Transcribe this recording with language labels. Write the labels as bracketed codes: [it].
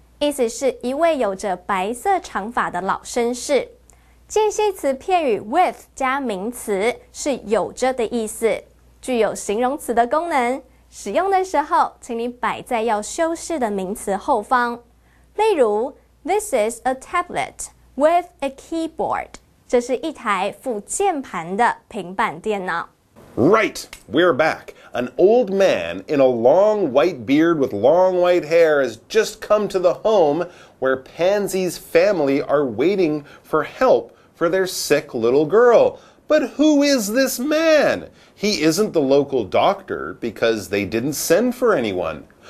[zh] 意思是一位有着白色长发的老绅士。介系词片语 with 加名词是有着的意思，具有形容词的功能。使用的时候，请你摆在要修饰的名词后方。例如 [en] ,This is a tablet with a keyboard. [zh] 这是一台附键盘的平板电脑。 [en] Right, we're back. An old man in a long white beard with long white hair has just come to the home where Pansy's family are waiting for help for their sick little girl. But who is this man? He isn't the local doctor because they didn't send for anyone.